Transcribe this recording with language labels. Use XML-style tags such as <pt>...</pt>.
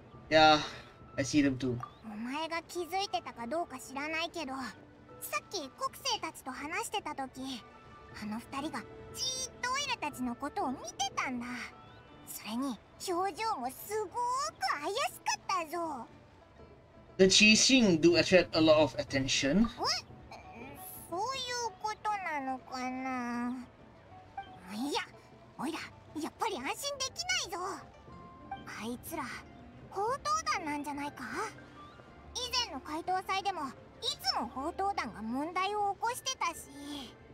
<ja>いや、</ja> <en>I see them too。</en> <ja>お前が気づいてたかどうか知らないけど、さっき国生たちと話してた時、あの二人がじーっとオイラたちのことを見てたんだ。それに表情もすごーく怪しかったぞ。</ja> <en>The Qi Xing do attract a lot of attention.</en> <ja>そういうことなのかな。いや、おいら、やっぱり安心できないぞ。あいつら、砲塔団なんじゃないか。以前の怪盗祭でも、いつも砲塔団が問題を起こしてたし。</ja>